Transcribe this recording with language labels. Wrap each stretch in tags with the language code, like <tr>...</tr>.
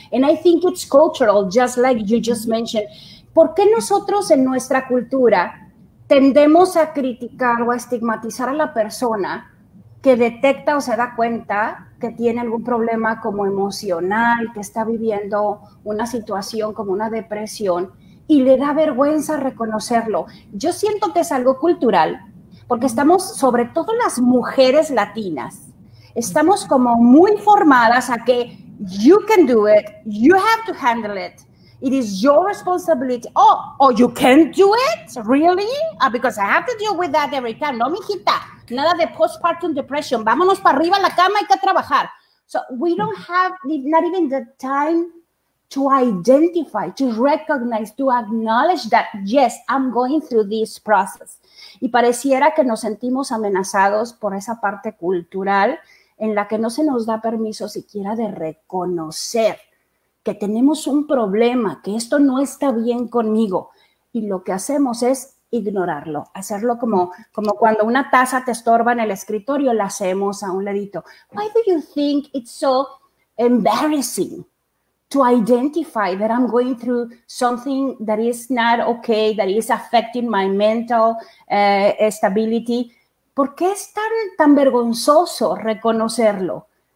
<en>And I think it's cultural, just like you just mentioned.</en> <es>¿Por qué nosotros en nuestra cultura tendemos a criticar o a estigmatizar a la persona que detecta o se da cuenta que tiene algún problema como emocional, que está viviendo una situación como una depresión? Y le da vergüenza reconocerlo. Yo siento que es algo cultural, porque estamos, sobre todo las mujeres latinas, estamos como muy formadas a que</es> <en>you can do it, you have to handle it, it is your responsibility. Oh, you can't do it? Really? Because I have to deal with that every time.</en> <es>No, mijita, nada de postpartum depression. Vámonos para arriba a la cama, hay que trabajar.</es> <en>So we don't have not even the time to identify, to recognize, to acknowledge that, yes, I'm going through this process.</en> <es>Y pareciera que nos sentimos amenazados por esa parte cultural en la que no se nos da permiso siquiera de reconocer que tenemos un problema, que esto no está bien conmigo. Y lo que hacemos es ignorarlo, hacerlo como cuando una taza te estorba en el escritorio, la hacemos a un ladito.</es> <en>Why do you think it's so embarrassing to identify that I'm going through something that is not okay, that is affecting my mental stability?</en> <es>¿Por qué es tan vergonzoso reconocerlo?</es>